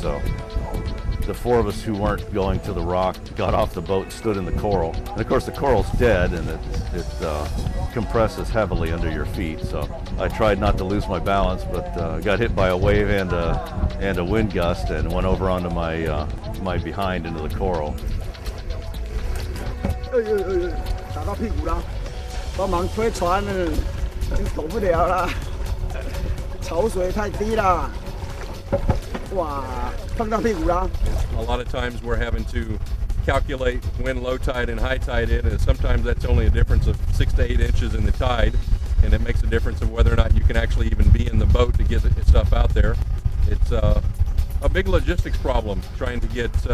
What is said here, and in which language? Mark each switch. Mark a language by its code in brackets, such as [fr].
[en] So the four of us who weren't going to the rock got off the boat, stood in the coral. And of course the coral's dead and it compresses heavily under your feet. So I tried not to lose my balance, but got hit by a wave and a wind gust and went over onto my behind into the coral. Hey, hey, hey. [zh] 打到屁股了，帮忙推船了，已经走不了了，潮水太低了，哇，碰到屁股了。 [en] A lot of times we're having to calculate when low tide and high tide is, and sometimes that's only a difference of 6 to 8 inches in the tide, and it makes a difference of whether or not you can actually even be in the boat to get stuff out there. It's a big logistics problem trying to get